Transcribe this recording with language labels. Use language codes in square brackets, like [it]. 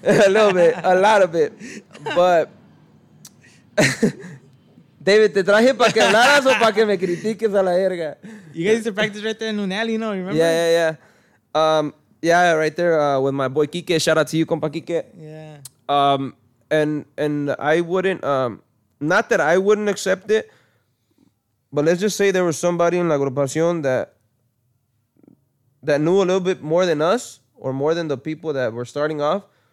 [en] A little bit, a lot of it, but. [es] David, te traje para que hablaras o para que me critiques a la verga. [en] You guys used to practice right there in un alley, you know, remember? Yeah, yeah, yeah. Yeah, right there with my boy Kike. Shout out to you, compa Kike. Yeah. And I wouldn't, not that I wouldn't accept it, but let's just say there was somebody in la agrupación that knew a little bit more than us or more than the people that were starting off.